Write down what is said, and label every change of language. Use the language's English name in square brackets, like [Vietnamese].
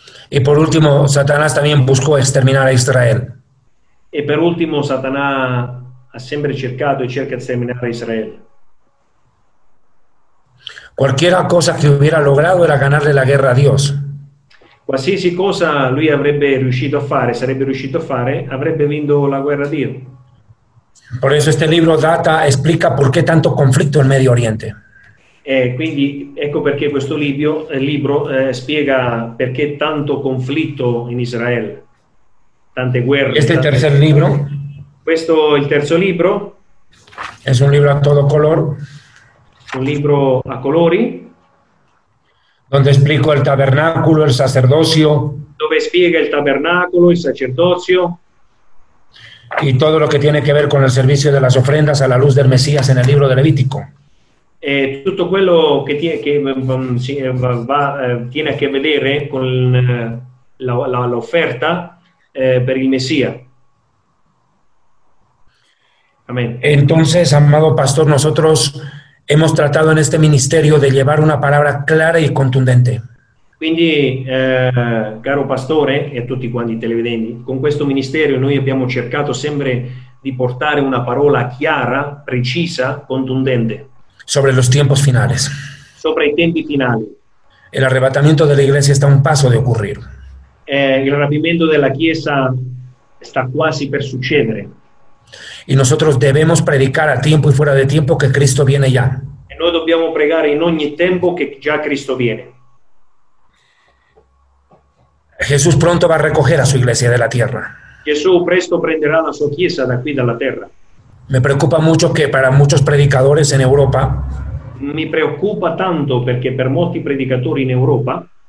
[Spanish] Y por último, Satanás también buscó exterminar a Israel. [Italian] E per ultimo Satana ha sempre cercato e cerca di sterminare Israele. [Spanish] Cualquier cosa que hubiera logrado era ganarle la guerra a Dios. [Italian] Qualsiasi cosa lui avrebbe riuscito a fare, sarebbe riuscito a fare, avrebbe vinto la guerra a Dio. [Spanish] Por eso este libro data explica por qué tanto conflicto en Medio Oriente. [Italian] Quindi ecco perché questo libro spiega perché tanto conflitto in Israele, tante guerre. [Spanish] Este [Italian] è il terzo libro. Questo è il terzo libro. [Spanish] È un libro a todo color. [Italian] Un libro a colori. [Spanish] Donde explico el tabernáculo, el sacerdocio. [Italian] Dove spiega il tabernacolo, il sacerdozio. [Spanish] Y todo lo que tiene que ver con el servicio de las ofrendas a la luz del Mesías en el libro de Levítico. [Italian] Tutto quello che tiene a che vedere con l'offerta per il Messia. [Spanish] Amén. Entonces, amado pastor, nosotros hemos tratado en este ministerio de llevar una palabra clara y contundente. [Italian] Quindi, caro pastore e tutti quanti i televidenti, con questo ministero noi abbiamo cercato sempre di portare una parola chiara, precisa, contundente. [Spanish] Sobre los tiempos finales. Sobre [Italian] i tempi finali. [Spanish] El arrebatamiento de la iglesia está a un paso de ocurrir. [Italian] Il rapimento della chiesa sta quasi per succedere. [Spanish] Y nosotros debemos predicar a tiempo y fuera de tiempo que Cristo viene ya. [Italian] E noi dobbiamo pregare in ogni tempo che già Cristo viene. [Spanish] Jesús pronto va a recoger a su iglesia de la tierra. Jesús [Italian] presto [Spanish] prenderá [Italian] la su chiesa [Spanish] de aquí, de la tierra. Me preocupa mucho que para muchos predicadores en Europa. Me preocupa tanto porque para muchos predicadores en Europa.